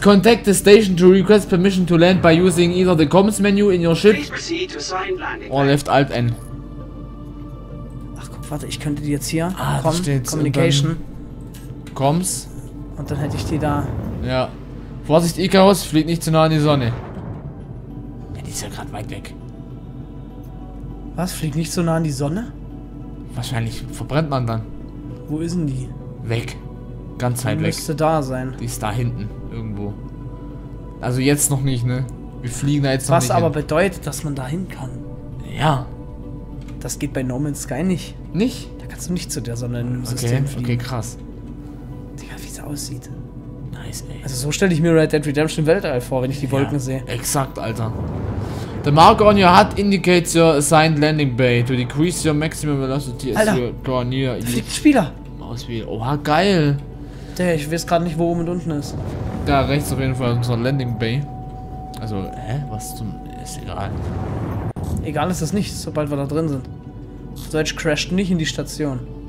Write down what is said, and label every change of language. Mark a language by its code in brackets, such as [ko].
[en] Contact the station to request permission to land by using either the comms menu in your ship or left alt N. [de] Ach komm, warte, ich könnte die jetzt hier. Ah, komm, da steht's. [en] Communication. Comms. [de] Und dann hätte ich die da. Ja. Vorsicht, Icarus, flieg nicht zu nah an die Sonne. Ja, die ist ja gerade weit weg. Was? Flieg nicht so nah an die Sonne? Wahrscheinlich verbrennt man dann. Wo ist denn die? Weg. Ganz weit weg. Die müsste da sein. Die ist da hinten. Irgendwo. Also jetzt noch nicht, ne? Wir fliegen da jetzt noch was nicht. Was aber hin. Bedeutet, dass man da hin kann. Ja. Das geht bei No Man's Sky nicht. Nicht? Da kannst du nicht zu der Sonne im System fliegen. Okay, krass. Digga, wie es aussieht. Nice, ey. Also so stelle ich mir Red Dead Redemption Weltall vor, wenn ich die Wolken sehe. Exakt, Alter. [en] The mark on your HUD indicates your assigned landing bay to decrease your maximum velocity as you go near. [de] Da fliegt ein Spieler. Mauswiel. Oha, geil. Digga, ich weiß gerade nicht, wo oben und unten ist. Da rechts auf jeden Fall unser Landing Bay. Also, hä? Was zum. Ist egal. Egal ist es nicht, sobald wir da drin sind. Deutsch crasht nicht in die Station.